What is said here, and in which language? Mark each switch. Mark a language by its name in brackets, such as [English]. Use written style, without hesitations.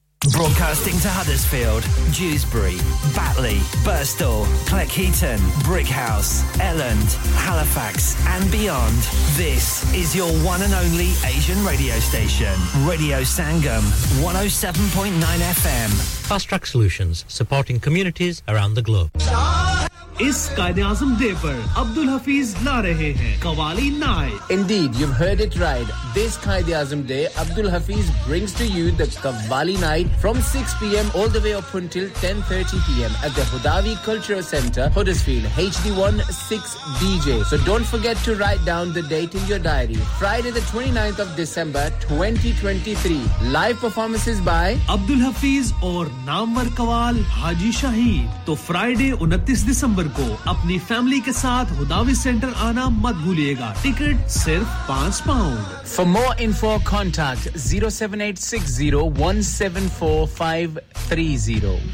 [English] Broadcasting to Huddersfield, Dewsbury, Batley, Birstall, Cleckheaton, Brickhouse, Elland, Halifax and beyond. This is your one and only Asian radio station. Radio Sangam, 107.9 FM. Fast Track Solutions, supporting communities around the globe. [Hindi] इस कायदेआजम day पर अब्दुल हफीज ला रहे हैं qawwali night [English] Indeed, you've heard it right. This Quaid-e-Azam day Abdul Hafeez brings to you the qawwali night from 6 p.m. all the way up until 10:30 p.m. at the Hudavi Cultural Centre, Huddersfield, HD1 6DJ. So don't forget to write down the date in your diary. Friday the 29th of December 2023. Live performances by [Hindi] Abdul Hafeez और नामवर कवाल हाजी शाहीद. तो Friday 29 December को अपनी family के साथ हुदावी centre आना मत भूलिएगा ticket सिर्फ £5 [English] For more info, contact 07860174530.